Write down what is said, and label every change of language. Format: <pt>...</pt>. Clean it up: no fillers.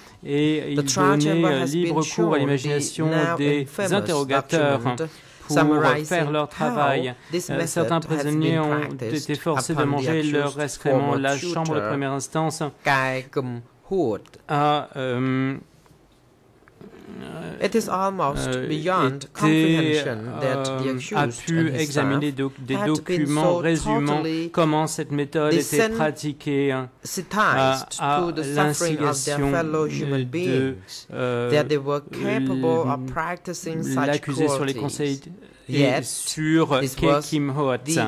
<fr>Et ils donnaient libre cours à l'imagination des interrogateurs pour faire leur travail. Certains prisonniers ont été forcés de manger leurs excréments. La chambre de première instance a</fr> <en>It is almost beyond comprehension that the accused</en> <fr>a pu examiner des documents résumant comment cette méthode était pratiquée à l'instigation de l'accusé sur les conseils sur Kei Kim Hoat.</fr>